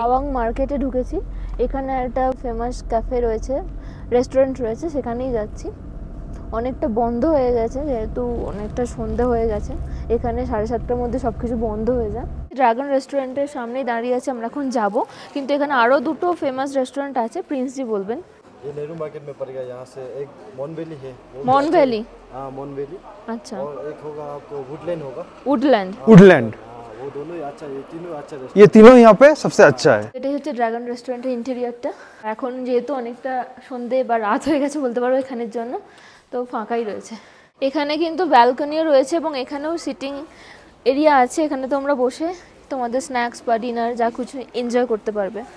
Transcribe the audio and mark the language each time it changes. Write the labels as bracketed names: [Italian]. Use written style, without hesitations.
[Bangla] তাওয়াং মার্কেটে ঢুকেছি, এখানে একটা ফেমাস ক্যাফে রয়েছে, রেস্টুরেন্ট রয়েছে, সেখানেই যাচ্ছি। অনেকটা বন্ধ হয়ে গেছে যেহেতু অনেকটা সন্ধে হয়ে গেছে, এখানে 7:30টার মধ্যে সব কিছু বন্ধ হয়ে যায়। ড্রাগন রেস্টুরেন্টের সামনেই দাঁড়িয়ে আছি আমরা, এখন যাবো। কিন্তু এখানে আরও দুটো ফেমাস রেস্টুরেন্ট আছে, প্রিন্সজি বলবেন। [Hindi] ये नेहरू मार्केट में पड़ेगा, यहाँ से एक मॉन वैली है, मॉन वैली, हाँ मॉन वैली, अच्छा, और एक होगा आपको वुडलैंड होगा, वुडलैंड, वुडलैंड, वो दोनों अच्छा, ये तीनों अच्छा रेस्टोरेंट, ये तीनों यहाँ पे सबसे अच्छा है। [Bangla] এটা হচ্ছে ড্রাগন রেস্টুরেন্টের ইন্টেরিয়রটা। এখন যেহেতু অনেকটা সন্ধে বা রাত হয়ে গেছে বলতে পারো এখানের জন্য, তো ফাঁকাই রয়েছে। এখানে কিন্তু ব্যালকনিও রয়েছে এবং এখানেও সিটিং এরিয়া আছে, এখানে তোমরা বসে তোমাদের স্ন্যাক্স বা ডিনার যা কিছু এনজয় করতে পারবে।